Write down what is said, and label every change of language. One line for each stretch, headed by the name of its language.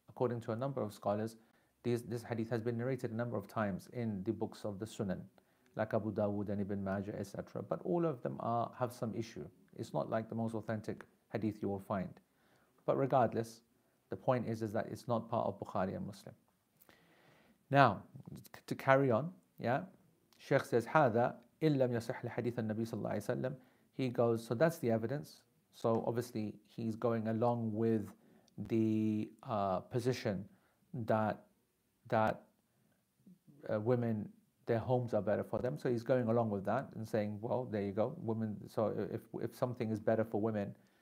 English: According to a number of scholars, this hadith has been narrated a number of times in the books of the Sunan, like Abu Dawood and Ibn Majah, etc. But all of them have some issue. It's not like the most authentic hadith you will find. But regardless, the point is that it's not part of Bukhari and Muslim. Now, to carry on, yeah, Sheikh says,
Arabic: هذا إن لم يصح الحديث النبي صلى الله عليه وسلم.
English: He goes, so that's the evidence. So obviously he's going along with the position that women, their homes are better for them. So he's going along with that and saying, well, there you go, women. So if something is better for women,